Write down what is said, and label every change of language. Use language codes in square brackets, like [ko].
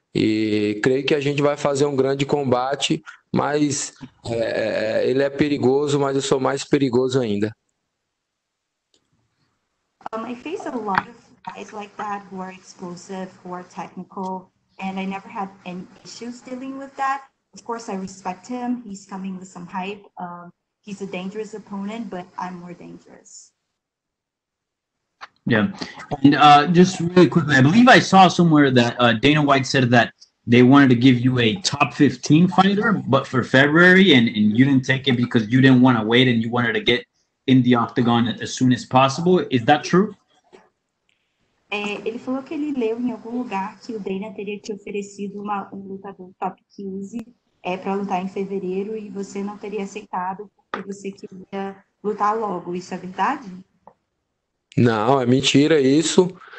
[pt] E creio que a gente vai fazer um grande combate, mas ele é perigoso, mas eu sou mais perigoso ainda. [en] I face a lot of guys like that who are explosive, who are technical, and I never had any issues dealing with that. Of course, I respect him. He's coming with some hype. He's a dangerous opponent, but I'm more dangerous. Yeah, and just really quickly, I believe I saw somewhere that Dana White said that they wanted to give you a top 15 fighter, but for February, and you didn't take it because you didn't want to wait and you wanted to get in the octagon as soon as possible. Is that true? [pt] Ele falou que ele leu em algum lugar que o Dana teria te oferecido um lutador top 15 para lutar em fevereiro e você não teria aceitado porque você queria lutar logo. Isso é verdade? Não, é mentira isso.